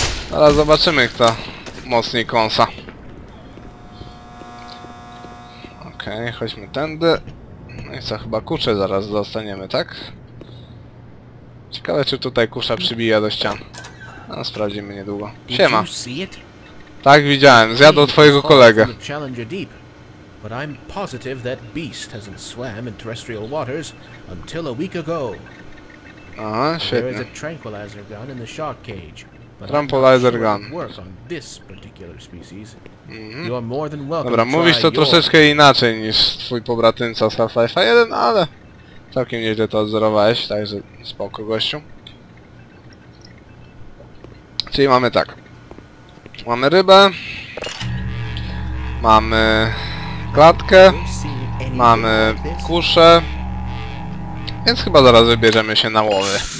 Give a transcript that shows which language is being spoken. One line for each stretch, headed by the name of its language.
Polish: Zaraz zobaczymy, kto mocniej kąsa. Okej, chodźmy tędy. No i co, chyba kuszę zaraz dostaniemy, tak? Ciekawe, czy tutaj kusza przybija do ścian. No, sprawdzimy niedługo. Siema! Tak, widziałem. Zjadł twojego kolegę.
English: But I'm positive that beast hasn't swam in terrestrial waters until a week ago.
Polish: Aha, świetnie.
English: There is a tranquilizer gun in the shark cage. Tranquilizer gun. Work on this particular species. Mm-hmm. You are more than welcome.
Polish: Dobra, mówisz to troszeczkę inaczej niż twój pobratynca z Half-Life 1, ale całkiem nieźle to odzorowałeś, także spoko, gościu. Czyli mamy tak. Mamy rybę. Mamy klatkę, mamy kuszę, więc chyba zaraz wybierzemy się na łowy.